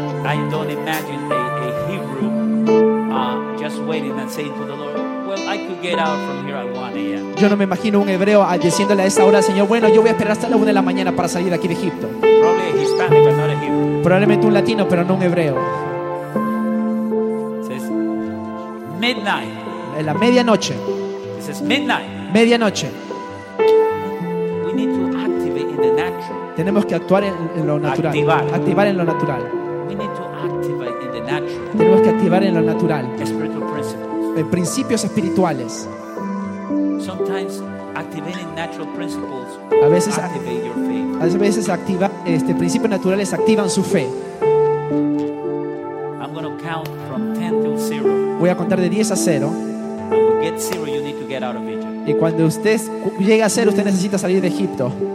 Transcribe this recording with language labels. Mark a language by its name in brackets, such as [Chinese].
[English] I don't imagine a Hebrew just waiting and saying to the Lord, well, I could get out from here at 1 a.m. [Spanish] Yo no me imagino un hebreo diciéndole a esa hora, Señor, bueno, yo voy a esperar hasta la 1 de la mañana para salir de aquí de Egipto. [English] Probably a Hispanic, but not a Hebrew. [Spanish] Probablemente un latino, pero no un hebreo. [English] It says, midnight. [Spanish] En la medianoche. [English] It says, midnight. [Spanish] Medianoche. [English] We need to activate in the natural. [Spanish] Tenemos que actuar en lo natural. Activar en lo natural. [English] We need to activate in the natural. [Spanish] Tenemos que activar en lo natural. [English] Spiritual principles. [Spanish] En principios espirituales. [English] Sometimes activating natural principles. [Spanish] A veces [English] activate your faith. [Spanish] A veces activa principios naturales activan su fe. [English] I'm going to count from 10 to 0. [Spanish] Voy a contar de 10 a 0. [English] And when you get 0, you need to get out of Egypt. [Spanish] Y cuando usted llega a 0, usted necesita salir de Egipto.